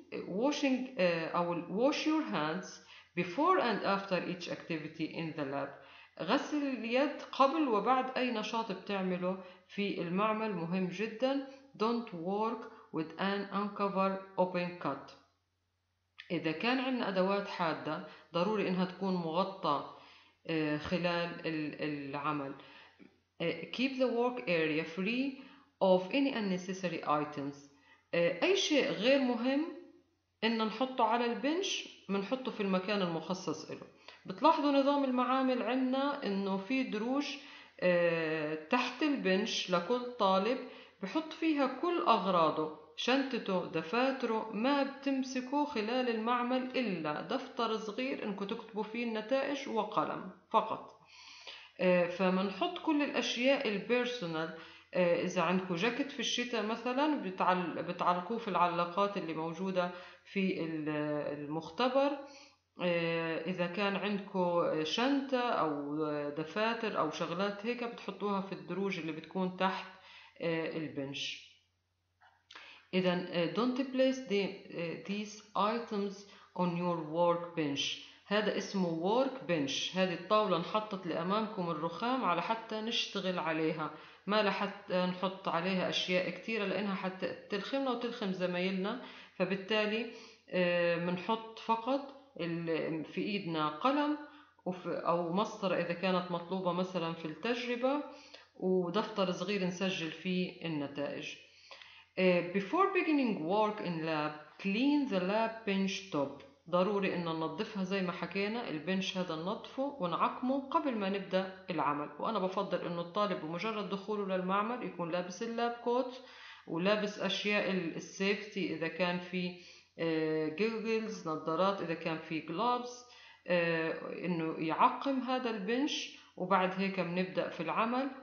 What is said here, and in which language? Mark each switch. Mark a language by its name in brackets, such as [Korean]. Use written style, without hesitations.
[English] washing [Arabic] أو [English] wash your hands before and after each activity in the lab. [Arabic] غسل اليد قبل وبعد أي نشاط بتعمله في المعمل مهم جدا. [English] Don't work with an uncover open cut. [Arabic] إذا كان عندنا أدوات حادة ضروري إنها تكون مغطى خلال العمل. [English] Keep the work area free of any unnecessary items. [Arabic] أي شيء غير مهم إن نحطه على البنش منحطه في المكان المخصص له. بتلاحظوا نظام المعامل عنا إنه في دروج تحت البنش لكل طالب بحط فيها كل أغراضه، شنطته، دفاتره، ما بتمسكه خلال المعمل إلا دفتر صغير إنكم تكتبوا فيه النتائج وقلم فقط. فمنحط كل الأشياء البيرسونال، إذا عندكم جاكيت في الشتاء مثلا بتعلقوه في العلاقات اللي موجودة في المختبر، إذا كان عندكم شنطة أو دفاتر أو شغلات هيك بتحطوها في الدروج اللي بتكون تحت البنش. إذا [English] don't place these items on your work bench. [Arabic] هذا اسمه work bench، هذه الطاولة انحطت لأمامكم الرخام على حتى نشتغل عليها، ما لحتى نحط عليها أشياء كثيرة لأنها حتى تلخمنا وتلخم زمايلنا. فبالتالي منحط فقط في إيدنا قلم أو مسطرة إذا كانت مطلوبة مثلا في التجربة، ودفتر صغير نسجل فيه النتائج. [English] Before beginning work in lab, clean the lab bench top. [Arabic] ضروري إن ننظفها زي ما حكينا، البنش هذا ننظفه ونعقمه قبل ما نبدأ العمل. وأنا بفضل إنه الطالب بمجرد دخوله للمعمل يكون لابس اللاب كوت ولابس أشياء السيفتي، إذا كان في جوجلز، نظارات، إذا كان في جلوبز، إنه يعقم هذا البنش، وبعد هيك بنبدأ في العمل.